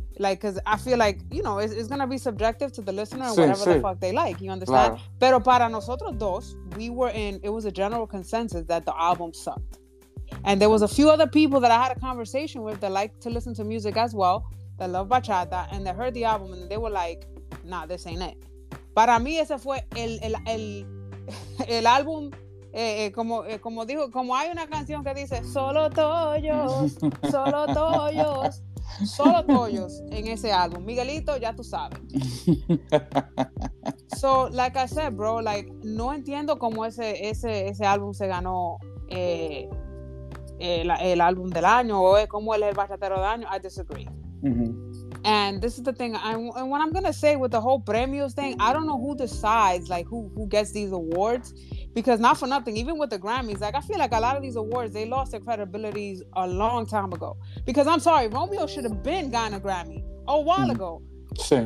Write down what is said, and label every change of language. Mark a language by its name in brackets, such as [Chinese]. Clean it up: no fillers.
[English] Like, because I feel like, you know, it's going to be subjective to the listener and whatever the fuck they like. You understand? Claro. Pero para nosotros dos, we were in, it was a general consensus that the album sucked. And there was a few other people that I had a conversation with that like to listen to music as well, that love bachata, and they heard the album and they were like, nah, this ain't it. [Spanish] Para mí ese fue el álbum, como dijo, como hay una canción que dice, solo toyos, solo toyos. Solo toyos en ese álbum. Miguelito, ya tú sabes. So, like I said, bro, like, no entiendo cómo ese álbum se ganó el álbum del año o cómo él es el bachatero del año. I disagree. [English] Mm-hmm. And this is the thing. And what I'm going to say with the whole premios thing, I don't know who decides, like, who gets these awards. Because not for nothing, even with the Grammys, like, I feel like a lot of these awards, they lost their credibility a long time ago. Because I'm sorry, Romeo should have been gotten a Grammy a while ago. Sure.